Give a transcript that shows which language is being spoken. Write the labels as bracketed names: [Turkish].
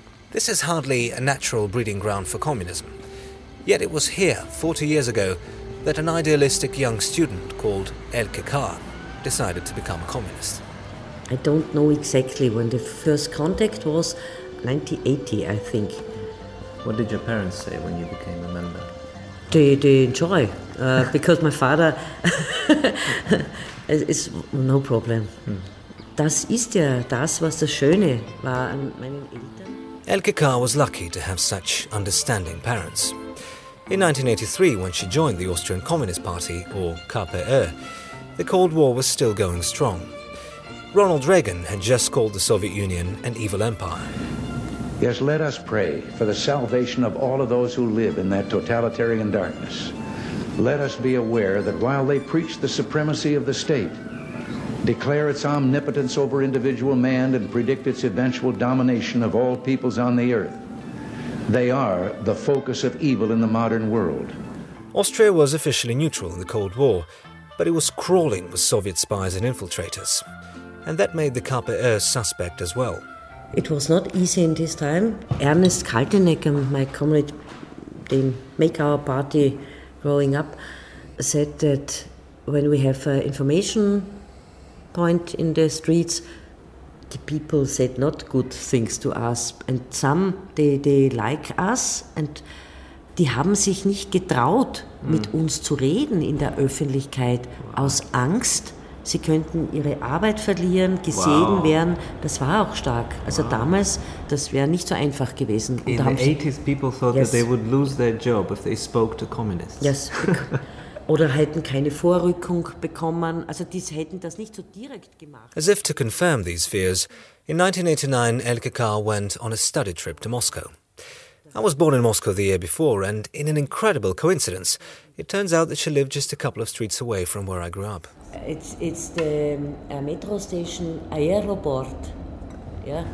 [English] This is hardly a natural breeding ground for communism. Yet it was here, 40 years ago, that an idealistic young student called Elke Kahr decided to become a communist. I don't know exactly when the first contact was. 1980, I think. What did your parents say when you became a member? They enjoy, because my father is no problem. [German] Das ist ja das, was das Schöne war an meinen Eltern. [English] Elke Kahr was lucky to have such understanding parents. In 1983, when she joined the Austrian Communist Party, or KPÖ, the Cold War was still going strong. Ronald Reagan had just called the Soviet Union an evil empire. Yes, let us pray for the salvation of all of those who live in that totalitarian darkness. Let us be aware that while they preach the supremacy of the state, declare its omnipotence over individual man, and predict its eventual domination of all peoples on the earth, they are the focus of evil in the modern world. Austria was officially neutral in the Cold War, but it was crawling with Soviet spies and infiltrators. And that made the KPÖ suspect as well. It was not easy in this time. Ernest Kaltenegger, my comrade, the make our party growing up, said that when we have an information point in the streets, the people said not good things to us. And some, they like us, and [German] die haben sich nicht getraut, mit uns zu reden in der Öffentlichkeit, aus Angst. Sie könnten ihre Arbeit verlieren, gesehen werden. Das war auch stark. Also damals, das wäre nicht so einfach gewesen. [English] In the 80s, people thought that they would lose their job if they spoke to communists. Yes. [German] Oder hätten keine Vorrückung bekommen. Also die hätten das nicht so direkt gemacht. [English] As if to confirm these fears, in 1989, Elke Kahr went on a study trip to Moscow. I was born in Moscow the year before, and in an incredible coincidence, it turns out that she lived just a couple of streets away from where I grew up. It's the metro station Aeroport, yeah?